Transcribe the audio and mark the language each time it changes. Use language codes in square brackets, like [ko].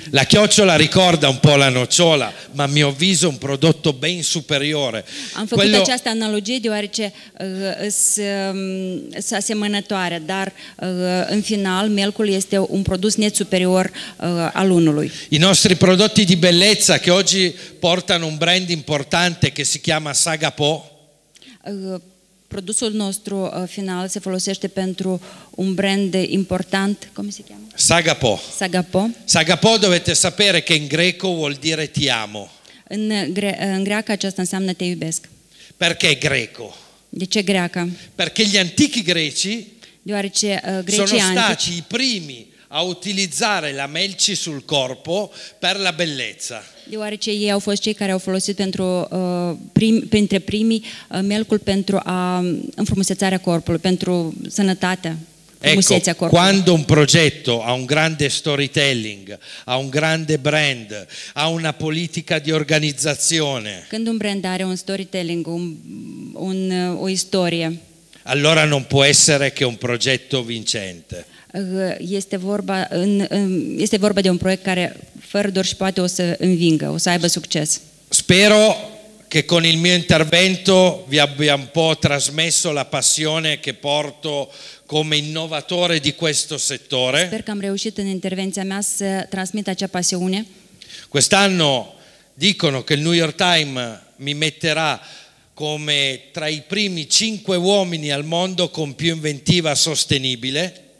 [it] La chiocciola ricorda un po' la nocciola, ma a mio avviso un prodotto ben superiore. [ro] Am făcut quello... această analogie deoarece sunt asemănătoare, dar în final melcul este un produs net superior alunului. [it] I nostri prodotti di bellezza che oggi portano un brand importante che si chiama Sagapo. [ro] Produsul nostru final se folosește pentru un brand important, cum se cheamă? Sagapo. Sagapo. [it] Sagapo, dovete sapere che in greco vuol dire ti amo. [ro] În greacă aceasta înseamnă te iubesc. [it] Perché è greco? [ro] De ce greacă? [it] Perché gli antichi greci, [ro] deoarece grecii [it] sono stati antici i primi a utilizzare la melci sul corpo per la bellezza. [ro] Deoarece ei au fost cei care au folosit printre primii melcul pentru a înfrumusețarea corpului, pentru sănătatea [it] Ecco, quando un progetto ha un grande storytelling, ha un grande brand, ha una politica di organizzazione, [ro] quando un brand ha un storytelling, o storia, [it] allora non può essere che un progetto vincente. [ro] Este vorba de un proiect care fără dor și poate o să învingă, o să aibă succes. [it] Spero che con il mio intervento vi abbia un po' trasmesso la passione che porto come innovatore di questo settore. [ro] Sper că am reușit în intervenția mea să transmit acea pasiune. [it] Quest'anno dicono che il New York Times mi metterà come tra i primi 5 uomini al mondo con più inventiva sostenibile.